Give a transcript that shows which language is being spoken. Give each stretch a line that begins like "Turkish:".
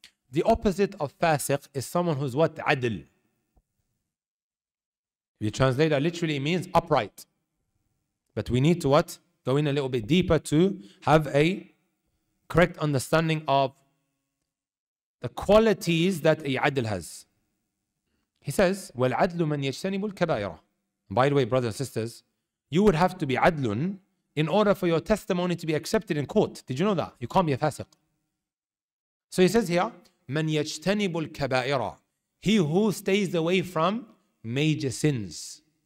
English: The opposite of fasiq is someone who's what? Adil. If you translate that literally, it means upright. But we need to what? Go in a little bit deeper to have a correct understanding of the qualities that a adil has.
Arabic: He says, وَالْعَدْلُ مَنْ يَجْتَنِبُ الْكَبَائِرَ.
English: By the way, brothers and sisters, you would have to be adlun in order for your testimony to be accepted in court. Did you know that? You can't be a fasiq. So he says here, مَنْ يَجْتَنِبُ الْكَبَائِرَ. He who stays away from major sins.